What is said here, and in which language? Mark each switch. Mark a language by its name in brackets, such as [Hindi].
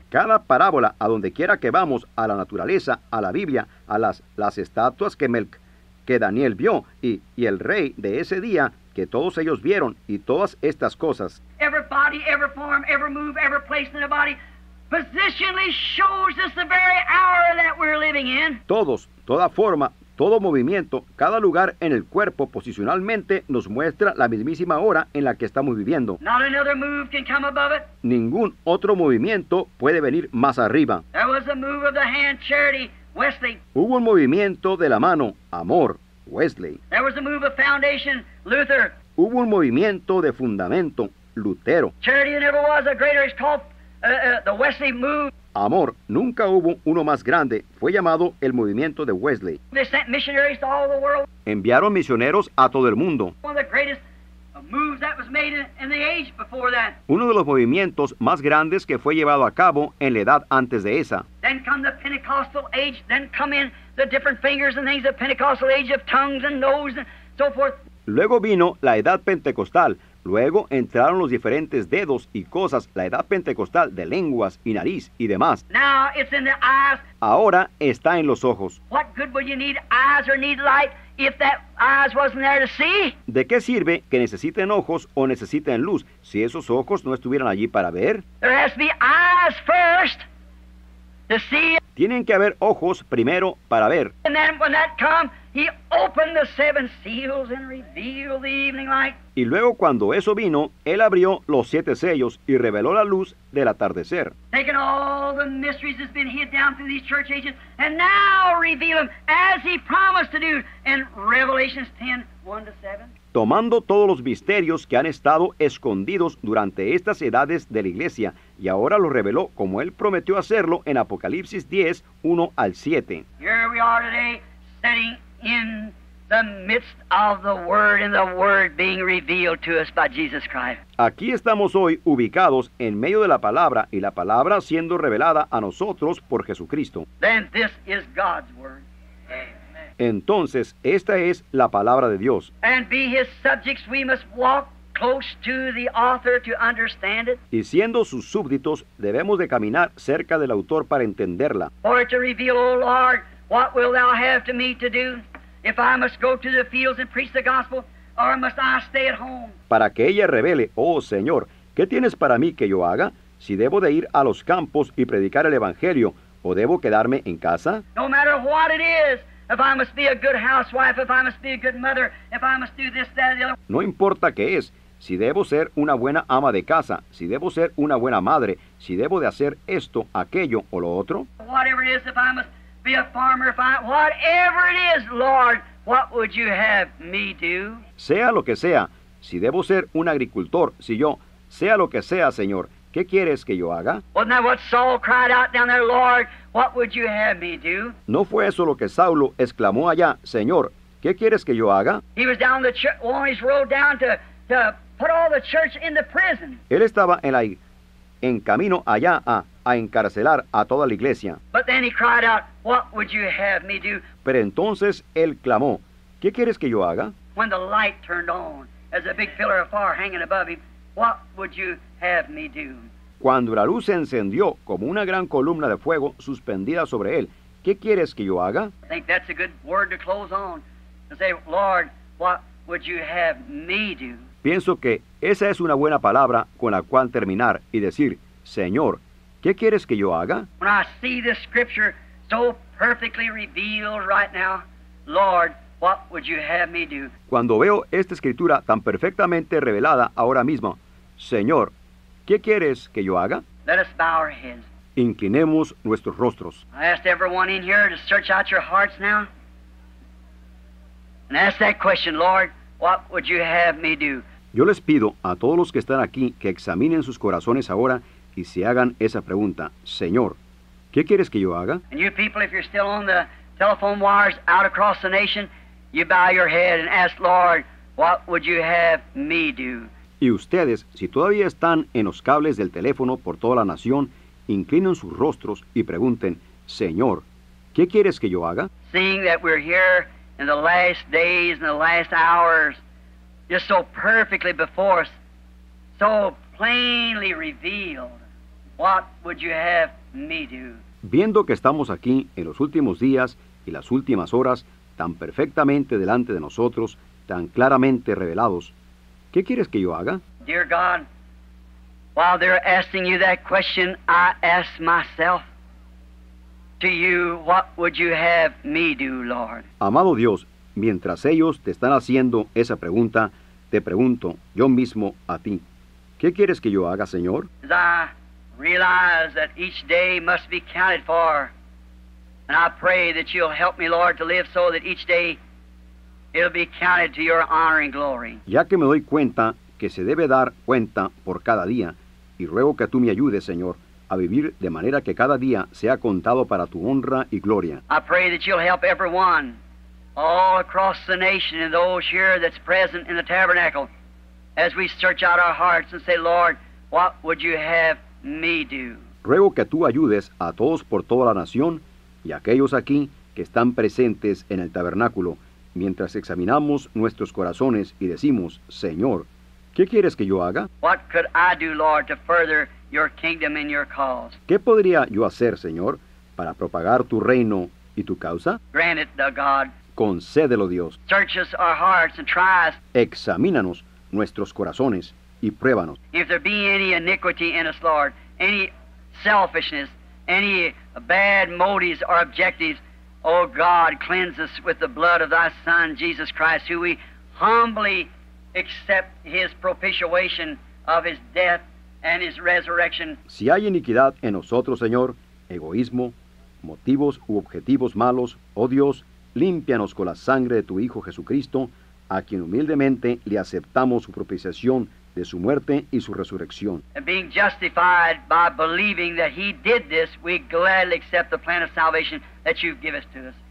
[Spanish] Cada parábola, a donde quiera que vamos, a la naturaleza, a la Biblia, a las estatuas que Daniel vio y el rey de ese día, que todos ellos vieron y todas estas cosas. [English] Every body, every form, every move, every place in the body positionally shows us the very hour that we're living in. [Spanish] Todos, toda forma, todo movimiento, cada lugar en el cuerpo posicionalmente nos muestra la mismísima hora en la que estamos viviendo. [English] Not another move can come above it. [Spanish] Ningún otro movimiento puede venir más arriba. [English] There was a move of the hand, charity, Wesley. [Spanish] Hubo un movimiento de la mano, amor, Wesley. [English] There was a move of foundation, Luther. [Spanish] Hubo un movimiento de fundamento, Lutero. [English] Charity never was a greater. It's called the Wesley move. [Spanish] amor, nunca hubo uno más grande, fue llamado el movimiento de Wesley. [English] They sent missionaries to all the world. [Spanish] Enviaron misioneros a todo el mundo. [English] One of the greatest moves that was made in the age before that. [Spanish] Uno de los movimientos más grandes que fue llevado a cabo en la edad antes de esa. [English] Then come the Pentecostal age, then come in the different fingers and things, the Pentecostal age of tongues and knows and so forth. [Spanish] Luego vino la edad pentecostal. Luego entraron los diferentes dedos y cosas, la edad pentecostal de lenguas y nariz y demás. [English] Now it's in the eyes. [Spanish] Ahora está en los ojos. [English] What good would you need eyes or need light if that eyes wasn't there to see? [Spanish] ¿De qué sirve que necesiten ojos o necesiten luz si esos ojos no estuvieran allí para ver? [English] There has to be eyes first to see. [Spanish] Tienen que haber ojos primero para ver. [English] And then when that comes, he opened the seven seals and revealed the evening light. [Spanish] Y luego cuando eso vino, él abrió los siete sellos y reveló la luz del atardecer. [English] Taking all the mysteries that's been hid down through these church ages and now reveal them as he promised to do in Revelations 10, 1-7. [Spanish] Tomando todos los misterios que han estado escondidos durante estas edades de la iglesia, y ahora los reveló como él prometió hacerlo en Apocalipsis 10, 1 al 7. [English] Here we are today, sitting in the midst of the Word, and the Word being revealed to us by Jesus Christ. [Spanish] Aquí estamos hoy ubicados en medio de la palabra, y la palabra siendo revelada a nosotros por Jesucristo. [English] Then this is God's Word. [Spanish] Entonces, esta es la palabra de Dios. [English] And be his subjects, we must walk close to the author to understand it. [Spanish] Y siendo sus súbditos, debemos de caminar cerca del autor para entenderla. [English] Or to reveal, O Lord, what will thou have to me to do if I must go to the fields and preach the gospel, or must I stay at home? [Spanish] Para que ella revele, oh Señor, ¿qué tienes para mí que yo haga? Si debo de ir a los campos y predicar el evangelio, ¿o debo quedarme en casa? [English] No matter what it is. If I must be a good housewife, if I must be a good mother, if I must do this, that, and the other. [Spanish] No importa qué es, si debo ser una buena ama de casa, si debo ser una buena madre, si debo de hacer esto, aquello, o lo otro. [English] Whatever it is, if I must be a farmer, if I, whatever it is, Lord, what would you have me do? [Spanish] Sea lo que sea, si debo ser un agricultor, si yo, sea lo que sea, Señor, ¿qué quieres que yo haga? [English] Wasn't that what Saul cried out down there, Lord? What would you have me do? [Spanish] ¿No fue eso lo que Saulo exclamó allá, Señor, ¿qué quieres que yo haga? [English] He was down the church, on his road down to put all the church in the prison. [Spanish] Él estaba en camino allá a encarcelar a toda la iglesia. [English] But then he cried out, what would you have me do? [Spanish] Pero entonces él clamó, ¿qué quieres que yo haga? [English] When the light turned on, as a big pillar of fire hanging above him, what would you have me do? [Spanish] Cuando la luz se encendió como una gran columna de fuego suspendida sobre él, ¿qué quieres que yo haga? [English] I think that's a good word to close on. To say, Lord, what would you have me do? [Spanish] Pienso que esa es una buena palabra con la cual terminar y decir, Señor, ¿qué quieres que yo haga? [English] When I see this scripture so perfectly revealed right now, Lord, what would you have me do? [Spanish] Cuando veo esta escritura tan perfectamente revelada ahora mismo, Señor, ¿qué quieres que yo haga? [English] Let us bow our heads. [Spanish] Inclinemos nuestros rostros. [English] I ask everyone in here to search out your hearts now. And ask that question, Lord, what would you have me do? [Spanish] Yo les pido a todos los que están aquí que examinen sus corazones ahora y se hagan esa pregunta. Señor, ¿qué quieres que yo haga? [English] And you people, if you're still on the telephone wires out across the nation, you bow your head and ask, Lord, what would you have me do? [Spanish] Y ustedes, si todavía están en los cables del teléfono por toda la nación, inclinen sus rostros y pregunten, Señor, ¿qué quieres que yo haga? [English] Seeing that we're here in the last days and the last hours, just so perfectly before us, so plainly revealed, what would you have me do? [Spanish] Viendo que estamos aquí en los últimos días y las últimas horas, tan perfectamente delante de nosotros, tan claramente revelados, ¿qué quieres que yo haga? [English] Dear God, while they're asking you that question, I ask myself to you, what would you have me do, Lord? [Spanish] Amado Dios, mientras ellos te están haciendo esa pregunta, te pregunto yo mismo a ti, ¿qué quieres que yo haga, Señor? [English] As I realize that each day must be counted for, and I pray that you'll help me, Lord, to live so that each day it'll be counted to your honor and glory. [Spanish] Ya que me doy cuenta que se debe dar cuenta por cada día, y ruego que tú me ayudes, Señor, a vivir de manera que cada día sea contado para tu honra y gloria. [English] I pray that you'll help everyone all across the nation and those here that's present in the tabernacle as we search out our hearts and say, Lord, what would you have me do? [Spanish] Ruego que tú ayudes a todos por toda la nación y aquellos aquí que están presentes en el tabernáculo mientras examinamos nuestros corazones y decimos, Señor, ¿qué quieres que yo haga? [English] What could I do, Lord, to further your kingdom and your cause? [Spanish] ¿Qué podría yo hacer, Señor, para propagar tu reino y tu causa? [English] Grant it, oh God. [Spanish] Concédelo, Dios. [English] Search us our hearts and try us. [Spanish] Examínanos nuestros corazones y pruébanos. [English] If there be any iniquity in us, Lord, any selfishness, any bad motives or objectives, oh God, cleanse us with the blood of thy Son, Jesus Christ, who we humbly accept his propitiation of his death and his resurrection. [Spanish] Si hay iniquidad en nosotros, Señor, egoísmo, motivos u objetivos malos, oh Dios, límpianos con la sangre de tu Hijo Jesucristo, a quien humildemente le aceptamos su propiciación de su muerte y su resurrección. [English] And being justified by believing that he did this, we gladly accept the plan of salvation that you've given us to us.